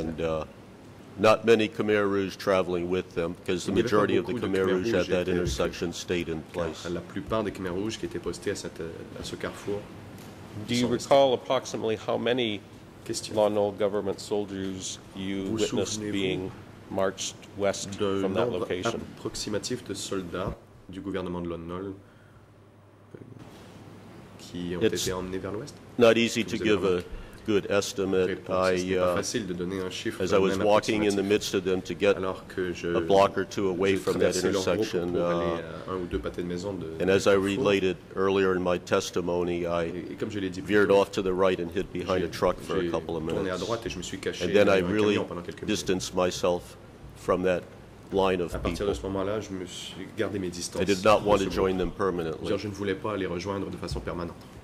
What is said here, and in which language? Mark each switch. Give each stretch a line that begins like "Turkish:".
English: and not many Khmer Rouge traveling with them, because the majority of the Khmer Rouge at that intersection stayed in place.
French: La plupart des Khmer Rouges qui étaient postés à ce carrefour.
English: Do you recall approximately how many colonial government soldiers you witnessed being marched west from that location?
French: Approximatif de soldats du gouvernement de l'ONOL qui ont été emmenés vers l'ouest?
English: Not easy to give a good estimate. As I was walking in the midst of them to get a block or two away from that intersection, and as I related earlier in my testimony, I veered off to the right and hid behind a truck for a couple of minutes. And then I really distanced myself from that line of people. I did not want to join them permanently.
French: Je ne voulais pas les rejoindre de façon permanente.